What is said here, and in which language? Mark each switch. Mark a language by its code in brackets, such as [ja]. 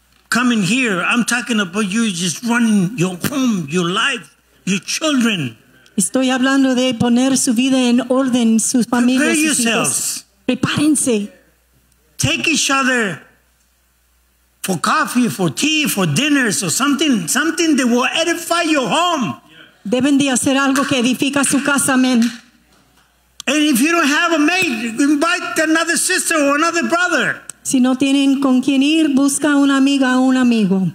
[en] coming here, I'm talking about you just running your home, your life, your children. [es] Estoy hablando de poner su vida en orden, sus familias, [en] prepare [es] sus [en] yourselves. [es] Hijos. Prepárense. [en] Take each other for coffee, for tea, for dinners, or something that will edify your home. [es] Deben de hacer algo que edifica su casa, amén. [en] And if you don't have a mate, invite another sister or another brother. [es] Si no tienen con quién ir, busca una amiga o un amigo.